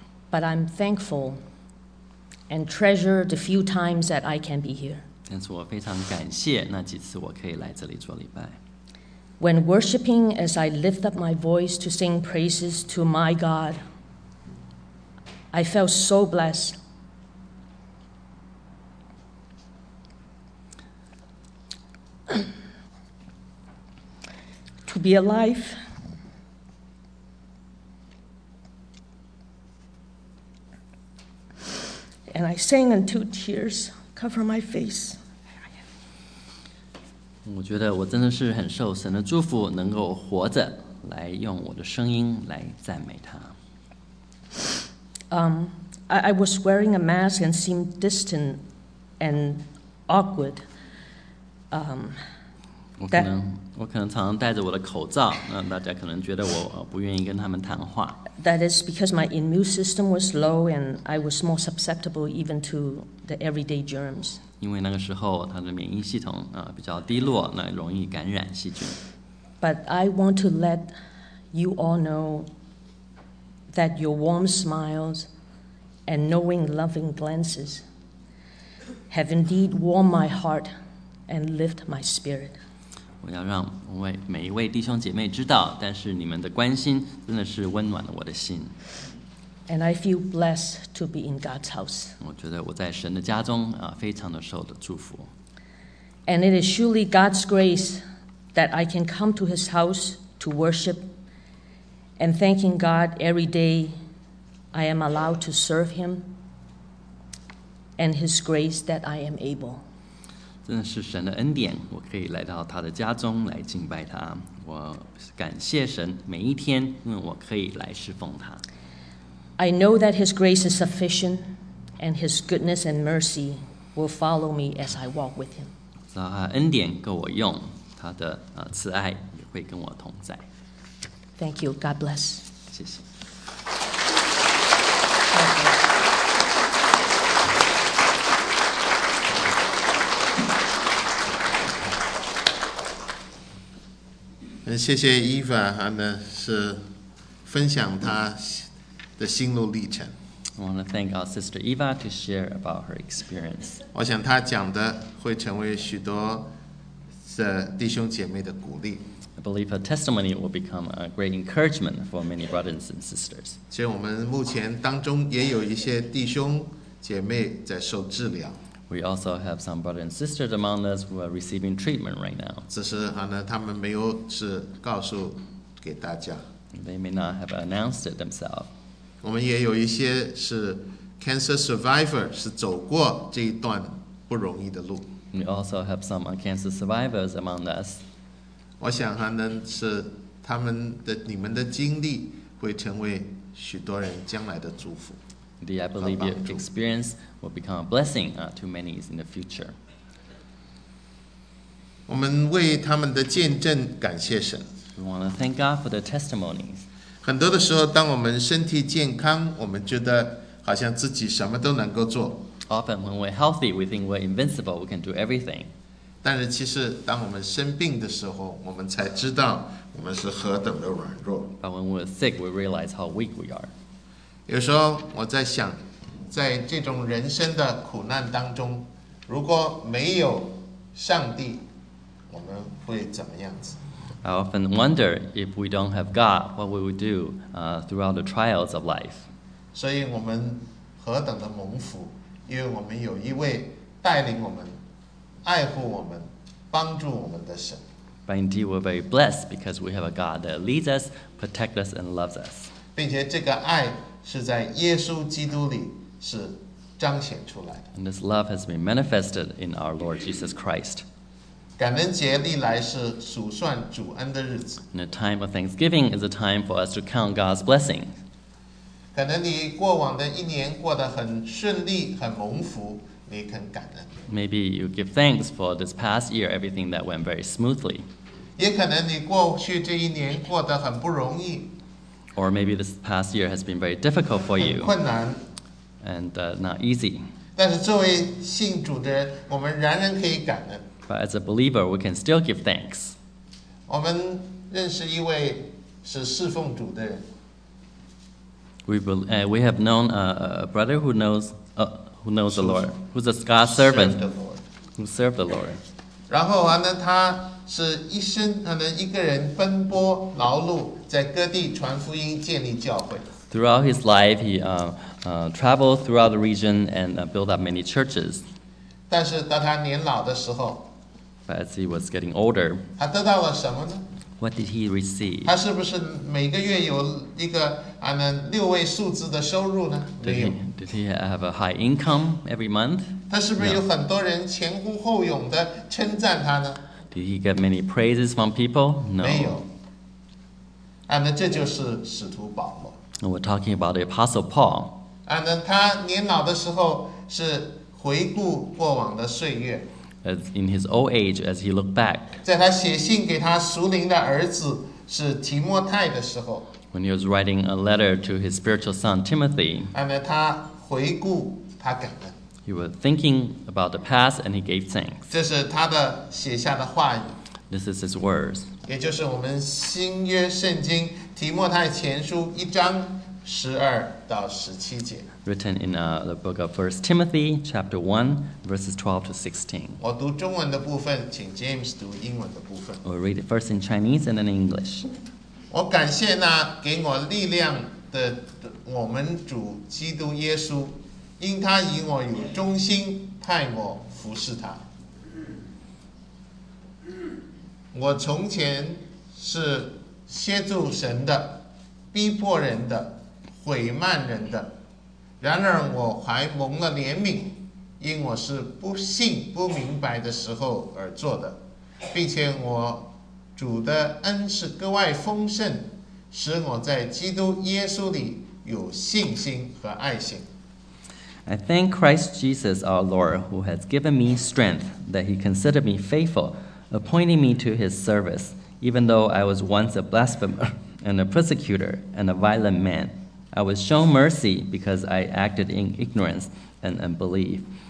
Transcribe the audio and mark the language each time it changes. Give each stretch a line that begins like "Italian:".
English: But I'm thankful and treasure the few times that I can be here.
Chinese: 但是我非常感谢那几次我可以来这里做礼拜。
English: When worshiping, as I lift up my voice to sing praises to my God, I felt so blessed. To be alive. And I sang until tears cover my face.
Chinese: 我觉得我真的是很受神的祝福，能够活着来用我的声音来赞美他。
English: I was wearing a mask and seemed distant and awkward.
Chinese: 我可能常常戴着我的口罩，那大家可能觉得我不愿意跟他们谈话。
English: That is because my immune system was low and I was more susceptible even to the everyday germs.
Chinese: 因为那个时候他的免疫系统、比较低落，那容易感染细菌。
English: But I want to let you all know that your warm smiles and knowing loving glances have indeed warmed my heart and lift my spirit.
Chinese: 我要让每一位弟兄姐妹知道，但是你们的关心真的是温暖了我的心。
English: And I feel blessed to be in God's house.
Chinese: 我觉得我在神的家中、非常的受的祝福。
English: And it is surely God's grace that I can come to His house to worship and thanking God every day I am allowed to serve Him and His grace that I am able.
Chinese: 真的是神的恩典，我可以来到他的家中来敬拜他。我感谢神每一天，因为我可以来侍奉他。
English: I know that His grace is sufficient, and His goodness and mercy will follow me as I walk with Him.
Chinese: 知道他恩典够我用，他的慈爱也会跟我同在。
English: Thank you. God bless.
Chinese: 谢谢。谢谢 Eva， 他呢是分享他。的心路历程。
English: I want to thank our sister Eva to share about her experience.
Chinese: 我想她讲的会成为许多的弟兄姐妹的鼓励。
English: I believe her testimony will become a great encouragement for many brothers and sisters.
Chinese: 其实我们目前当中也有一些弟兄姐妹在受治疗。
English: We also have some brothers and sisters among us who are receiving treatment right now.
Chinese: 只是他们没有是告诉给大家。
English: They may not have announced it themselves.
Chinese: 我们也有一些是
English: cancer survivor，
Chinese: 是走过这一段不容易的路。
English: We also have some cancer survivors among us.
Chinese: 我想还能是他们的你们的经历会成为许多人将来的祝福。
English: The I believe your experience will become a blessing to many in the future.
Chinese: 我们为他们的见证感谢神。
English: We want to thank God for the testimonies.
Chinese: 很多的时候，当我们身体健康，我们觉得好像自己什么都能够做。
English: Often when we're healthy, we think we're invincible. We can do everything.
Chinese: 但是其实，当我们生病的时候，我们才知道我们是何等的软弱。
English: But when we're sick, we realize how weak we are.
Chinese: 有时候我在想，在这种人生的苦难当中，如果没有上帝，我们会怎么样子？
English: I often wonder if we don't have God, what we would do throughout the trials of life.
Chinese: 所以我们何等的蒙福，因为我们有一位带领我们、爱护我们、帮助我们的神。
English: But indeed, we're very blessed because we have a God that leads us, protects us, and loves us.
Chinese: 并且这个爱是在耶稣基督里是彰显出来的。
English: And this love has been manifested in our Lord Jesus Christ.
Chinese: 感恩节历来是数算主恩的日子。
English: The time of Thanksgiving is a time for us to count God's blessing.
Chinese: 可能你过往的一年过得很顺利，很蒙福，你肯感恩。
English: Maybe you give thanks for this past year, everything that went very smoothly.
Chinese: 也可能你过去这一年过得很不容易。
English: Or maybe this past year has been very difficult for you.
Chinese: 很困难。
English: And not easy.
Chinese: 但是作为信主的人，我们仍然可以感恩。
English: But as a believer, we can still give thanks.
Chinese: 我们认识一位是侍奉主的人。
English: We have known a brother who knows the Lord, who's a God servant, who served the Lord.
Chinese: 然后呢，他是一生可能一个人奔波劳碌，在各地传福音，建立教会。
English: Throughout his life, he traveled throughout the region and built up many churches.
Chinese: 但是当他年老的时候
English: ，But as he was getting older,
Chinese: 他得到了什么呢？
English: What did he receive?
Chinese: 他是不是每个月有一个六位数字的收入呢？
English: Did he have a high income every month?
Chinese: 他是不是有很多人前呼后拥的称赞他呢
English: ？Did he get many praises from people? No.
Chinese: 没有。这就是使徒保罗。
English: And we're talking about the Apostle Paul.
Chinese: 他年老的时候是回顾过往的岁月。
English: As in his old age, as he looked back,
Chinese: 在他写信给他属灵的儿子是提摩太的时候
English: ，when he was writing a letter to his spiritual son Timothy,
Chinese: 他回顾他感恩
English: ，he was thinking about the past and he gave thanks.
Chinese: 这是他的写下的话语
English: ，this is his words.
Chinese: 也就是我们新约圣经提摩太前书一章十二到十七节。
English: Written in the book of 1 Timothy, chapter 1, verses 12 to 16.
Chinese: 我读中文的部分，请 James 读英文的部分。
English: We'll read it first in Chinese and then in English.
Chinese: 我感谢那给我力量的我们主基督耶稣，因他以我有忠心派我服侍他。我从前是亵渎神的，逼迫人的，毁谤人的。然而我还蒙了怜悯，因我是不信不明白的时候而做的，并且我主的恩是格外丰盛，使我在基督耶稣里有信心和爱心。
English: I thank Christ Jesus our Lord, who has given me strength, that he considered me faithful, appointing me to his service, even though I was once a blasphemer, and a persecutor, and a violent man. I was shown mercy because I acted in ignorance and unbelief.